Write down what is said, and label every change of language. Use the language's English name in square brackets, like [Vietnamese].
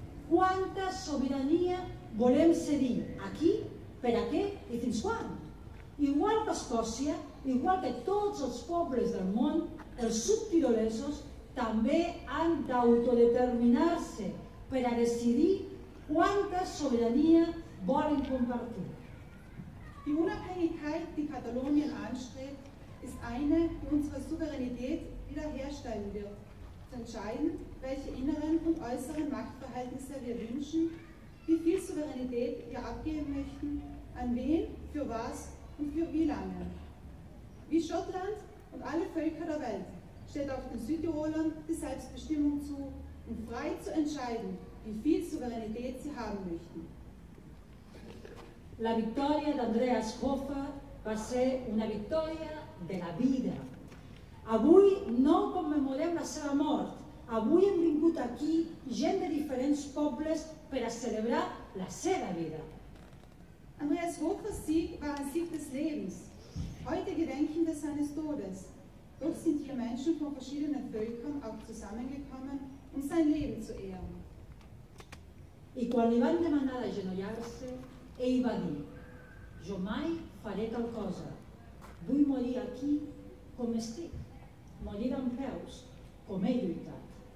[Catalan] Quanta sobirania volem cedir, a qui, per a què i fins quan. Igual que Escòcia, igual que tots els pobles del món, els subtirolesos també han d'autodeterminar-se per a decidir quanta sobirania volen compartir. [German] Die Unabhängigkeit, die Katalonien anstrebt, ist eine, die unsere Souveränität wiederherstellen wird. Zu entscheiden, welche inneren und äußeren Machtverhältnisse wir wünschen, wie viel Souveränität wir abgeben möchten, an wen, für was und für wie lange. Wie Schottland und alle Völker der Welt steht auch den Südtirolern die Selbstbestimmung zu, um frei zu entscheiden, wie viel Souveränität sie haben möchten. [Catalan] La victòria d'Andrea Schoffer va ser una victòria de la vida. Avui no commemorem la seva mort. Avui hem vingut aquí gent de diferents pobles per a celebrar la seva vida. [German] Andrea Schoffers Sieg war ein Sieg des Lebens. Heute gedenken wir seines Todes. Doch sind hier Menschen von verschiedenen Völkern auch zusammengekommen, um sein Leben zu ehren. [Catalan] I quan li van demanar d'agenollar-se, ell va dir, jo mai faré tal cosa, vull morir aquí com estic, morir en peus, com he lluitat.